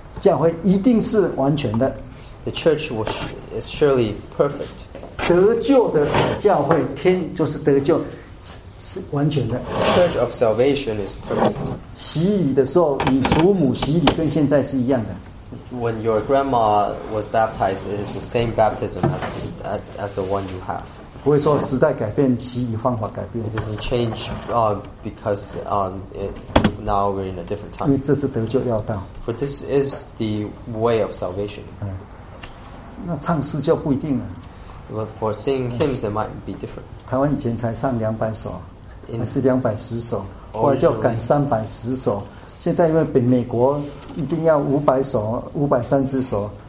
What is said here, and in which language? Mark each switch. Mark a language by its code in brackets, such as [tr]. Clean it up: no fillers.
[zh] 教会一定是完全的。 [en] The church is surely perfect. [zh] 得救的教会，天就是得救，是完全的。 [en] The church of salvation is perfect. [zh] 洗礼的时候，你祖母洗礼跟现在是一样的。 [en] When your grandma was baptized, it is the same baptism as the one you have. [zh] 不会说时代改变，洗礼方法改变。 [en] It doesn't change, because now we're in a different time. [zh] 因为这是得救要道。 [en] For this is the way of salvation.、 [zh] 那唱诗就不一定了。 [en] But for singing hymns, it might be different. [zh] 台湾以前才唱200首，还是210首，后来就赶310首。现在因为美国一定要500首，530首。